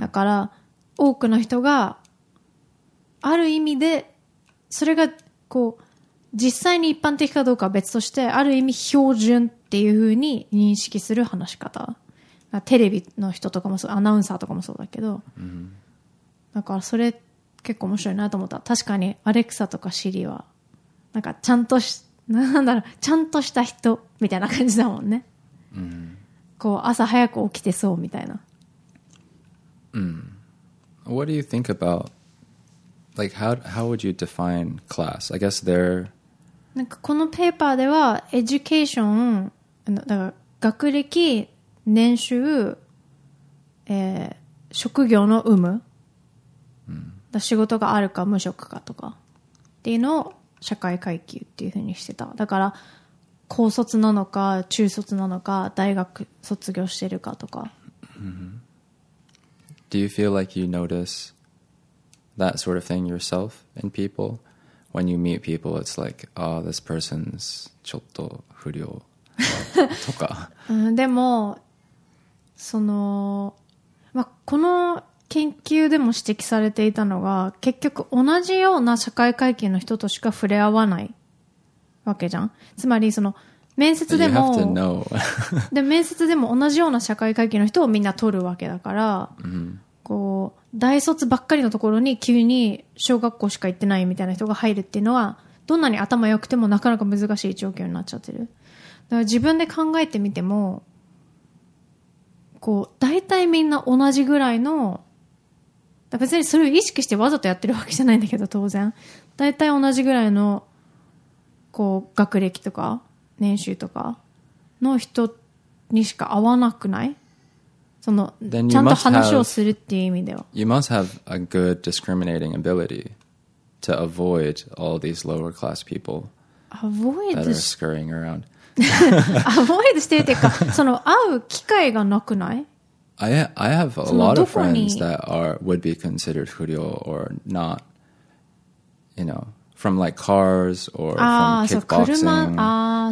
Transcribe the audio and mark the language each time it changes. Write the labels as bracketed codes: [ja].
[ja] だから多くの人がある意味で、それがこう実際に一般的かどうかは別として、ある意味標準っていう風に認識する話し方、だからテレビの人とかもそう、アナウンサーとかもそうだけど、うん、だからそれ結構面白いなと思った。確かにアレクサとかシリはなんかちゃんとしなんだろう、ちゃんとした人みたいな感じだもんね。うん、こう朝早く起きてそうみたいな。うん。 [en] What do you think about, like, how would you define class? I guess they're... [ja] なんかこのペーパーでは、エデュケーション、だから学歴、年収、職業の有無、うん、だ仕事があるか無職かとかっていうのを社会階級っていう風にしてた。だから高卒なのか中卒なのか大学卒業してるかとか、 mm-hmm. [en] Do you feel like you notice that sort of thing yourself in people? When you meet people, it's like, oh, this person's [ja] ちょっと不良とか、うん、でもその、ま、この研究でも指摘されていたのが、結局同じような社会階級の人としか触れ合わないわけじゃん。つまりその面接でも、で面接でも同じような社会階級の人をみんな取るわけだから、 mm-hmm. こう大卒ばっかりのところに急に小学校しか行ってないみたいな人が入るっていうのは、どんなに頭良くてもなかなか難しい状況になっちゃってる。だから自分で考えてみても、こう大体みんな同じぐらいの、だから別にそれを意識してわざとやってるわけじゃないんだけど、当然大体同じぐらいのこう学歴とか年収とかの人にしか会わなくない？そのちゃんと話をするっていう意味では。 [en] You must have a good discriminating ability to avoid all these lower class people that are scurrying around. [ja] Avoid してるっていうか、その会う機会がなくない？ [en] I have a lot of friends that are would be considered 不良 or not, you know, from like cars or from kickboxing.